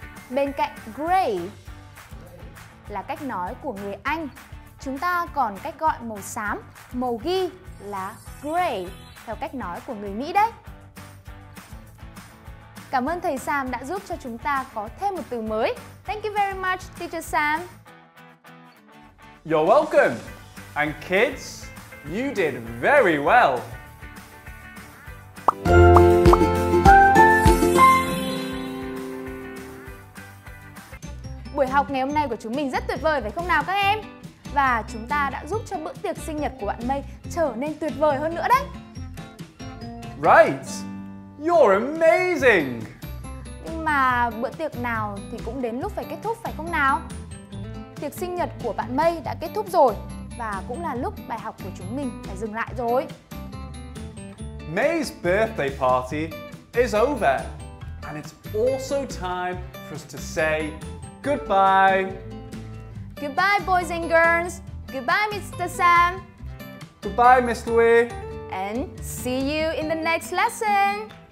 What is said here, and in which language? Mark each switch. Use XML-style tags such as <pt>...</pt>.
<vi>Bên cạnh gray là cách nói của người Anh, chúng ta còn cách gọi màu xám, màu ghi là gray theo cách nói của người Mỹ đấy. Cảm ơn thầy Sam đã giúp cho chúng ta có thêm một từ mới.</vi> <en>Thank you very much, teacher Sam. You're welcome. And kids, you did very well.</en> <vi>Buổi học ngày hôm nay của chúng mình rất tuyệt vời phải không nào các em? Và chúng ta đã giúp cho bữa tiệc sinh nhật của bạn May trở nên tuyệt vời hơn nữa đấy.</vi> <en>Right, you're amazing.</en> <vi>Nhưng mà bữa tiệc nào thì cũng đến lúc phải kết thúc phải không nào? Tiệc sinh nhật của bạn May đã kết thúc rồi và cũng là lúc bài học của chúng mình phải dừng lại rồi.</vi> <en>May's birthday party is over and it's also time for us to say goodbye. Goodbye, boys and girls. Goodbye, Mr. Sam. Goodbye, Miss Louie. And see you in the next lesson.</en>